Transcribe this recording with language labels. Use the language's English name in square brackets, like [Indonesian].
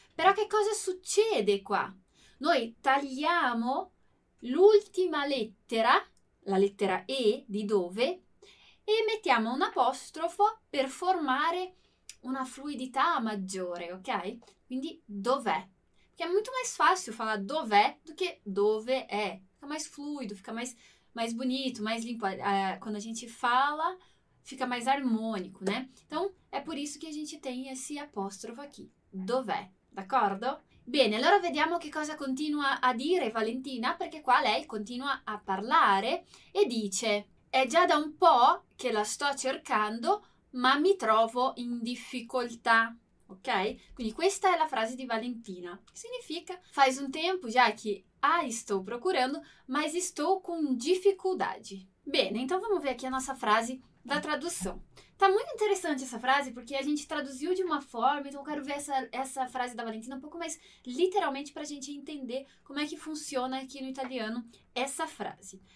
[Italian] Però che cosa succede qua? Noi tagliamo l'ultima lettera, la lettera E di dove, e mettiamo un apostrofo per formare una fluidità maggiore, ok? Quindi dov'è? Perché è molto più facile fare dov'è do che dove è. [Portuguese] Fica mais fluido, fica mais bonito, mais limpo. Quando a gente fala, fica mais harmônico, né? Então, é por isso que a gente tem esse apóstrofo aqui. [Italian] Dov'è? D'accordo? Bene, allora vediamo che cosa continua a dire Valentina, perché qua lei continua a parlare e dice: è già da un po' che la sto cercando, ma mi trovo in difficoltà. Ok? Quindi questa è la frase di Valentina. Significa: [Portuguese] faz un tempo già che sto procurando, ma sto con difficoltà. Bene, então vamos ver aqui a nossa frase da tradução. Tá muito interessante essa frase porque a gente traduziu de uma forma, então eu quero ver essa frase da Valentina um pouco mais literalmente para a gente entender como é que funciona aqui no italiano essa frase.